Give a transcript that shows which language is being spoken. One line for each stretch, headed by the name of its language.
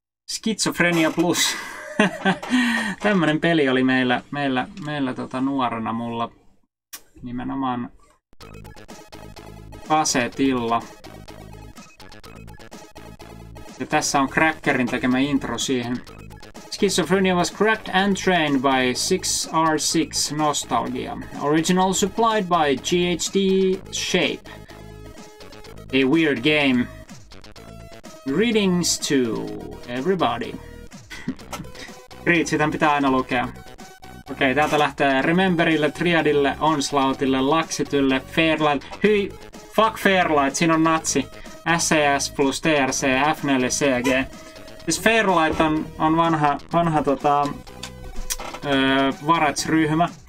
Finnish: Skitsofrenia Plus. Tämmöinen peli oli meillä nuorena mulla nimenomaan kasetilla. Ja tässä on Crackerin tekemä intro siihen.
English: Schizophrenia was cracked and trained by 6R6 Nostalgia. Original supplied by GHD Shape. A weird game. Greetings to everybody.
Finnish: Reach, tämän pitää aina lukea. Okei, täältä lähtee Rememberille, Triadille, Onslaughtille, Laxitylle, Fairlight. Hyi, fuck Fairlight, siinä on natsi. SES plus TRC, F4CG. Siis Fairlight on vanha varatsryhmä.